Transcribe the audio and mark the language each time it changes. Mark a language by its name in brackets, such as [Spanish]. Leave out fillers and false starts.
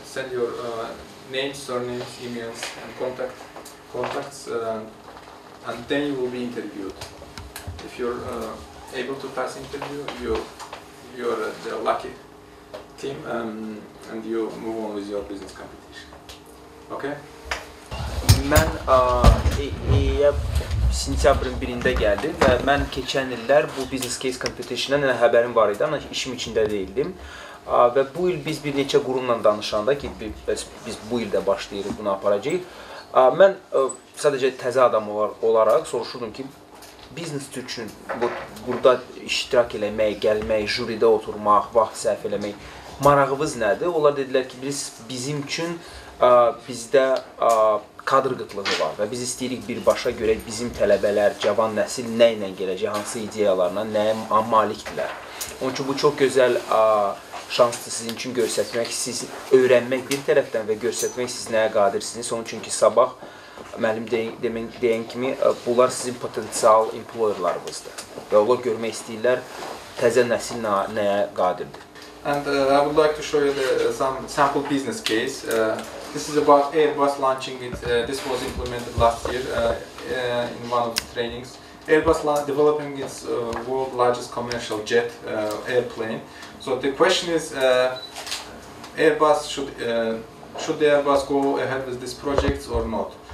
[English] Send your names, surnames, emails, and contacts, and then you will be interviewed. If you're able to pass interview, you're the lucky team, and you move on with your business competition. Okay? [Azerbaijani] Mən sentyabrın 1-də gəldim və mən keçən illər bu business case competition-dan xəbərim var idi, amma işim içində deyildim. Və bu il biz bir neçə qurumla danışanda ki, biz bu ildə başlayırıq, bunu aparacaq. Mən sadəcə təzə adam olaraq soruşurdum ki, biznes üçün burada iştirak eləmək, gəlmək, jüridə oturmaq, vaxt sərf eləmək marağınız nədir? Onlar dedilər ki, bizim üçün bizdə kadr qıtlığı var və biz istəyirik birbaşa görək bizim tələbələr, cavan nəsil nə ilə gələcək, hansı ideyalarına, nəyə malikdirlər. Onun üçün bu çox gözəl şansdır sizin üçün göstərmək, siz öyrənmək bir tərəfdən və göstərmək siz nəyə qadirsiniz. Onun üçün ki, sabah müəllim deyən kimi, bunlar sizin potensial employerlarınızdır və onlar görmək istəyirlər təzə nəsil nəyə qadirdir. [English] And I would like to show you some sample business case. This is about Airbus launching it. This was implemented last year in one of the trainings. Airbus developing its world largest commercial jet airplane. So the question is, Airbus should Airbus go ahead with this project or not?